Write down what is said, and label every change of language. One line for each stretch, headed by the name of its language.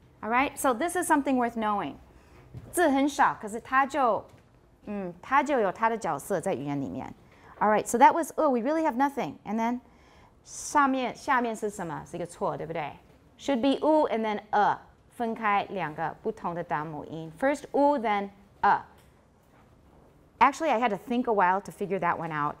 English: All right, so this is something worth knowing.
Chinese: 字很少，可是它就，它就有它的角色在语言里面。
English: All right, so that was, oh, we really have nothing. And then
Chinese: 下面是什么？是一个错，对不对？
English: Should be oo and then a,
Chinese: 分开两个不同的单母音。
English: First oo, then a. Actually, I had to think a while to figure that one out.